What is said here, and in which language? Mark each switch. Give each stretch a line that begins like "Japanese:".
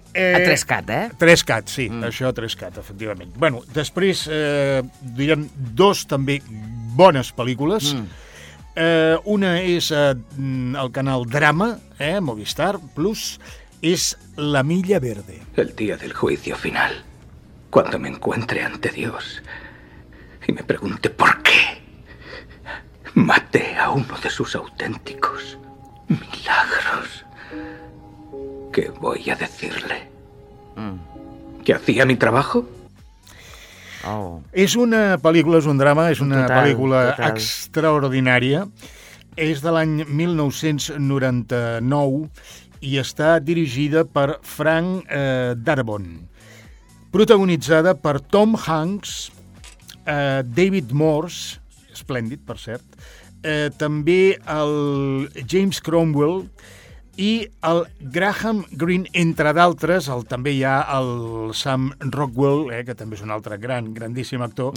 Catalan: A 3CAT, eh? 3CAT, sí, això a 3CAT, efectivament. Bueno, després, diguem, dos també bones pel·lícules. Una és el canal Drama, Movistar Plus, és La Milla Verde.
Spanish: El día del juicio final, cuando me encuentre ante Dios y me pregunte por qué maté a uno de sus auténticos milagros, ¿qué voy a decirle? ¿Que hacía mi trabajo?
Catalan: És una pel·lícula, és un drama, és una pel·lícula extraordinària. És de l'any 1999 i està dirigida per Frank Darabont. Protagonitzada per Tom Hanks, David Morse, esplèndid, per cert, també el James Cromwell i el Graham Greene, entre d'altres, també hi ha el Sam Rockwell, que també és un altre gran, grandíssim actor.